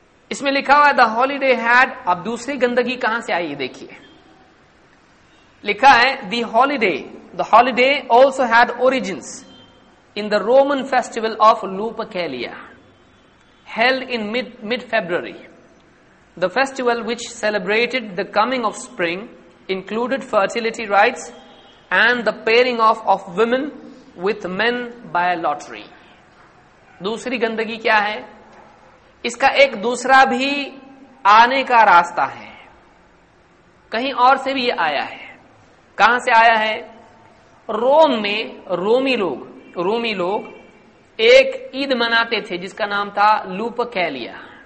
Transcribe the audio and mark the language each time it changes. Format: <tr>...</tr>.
<ur>اس میں لکھا ہوا ہے دا ہالی ڈے ہیڈ, اب دوسری گندگی کہاں سے آئی یہ دیکھیے, لکھا ہے</ur> <en>The holiday, the holiday also had origins in the Roman festival of Lupercalia held in mid-February. The festival which celebrated the coming of spring included fertility rites and the pairing off of women with men by a lottery.</en> <ur>دوسری گندگی کیا ہے؟ اس کا ایک دوسرا بھی آنے کا راستہ ہے, کہیں اور سے بھی یہ آیا ہے. کہاں سے آیا ہے؟ روم میں رومی لوگ ایک عید مناتے تھے جس کا نام تھا لوپکیلیا.</ur>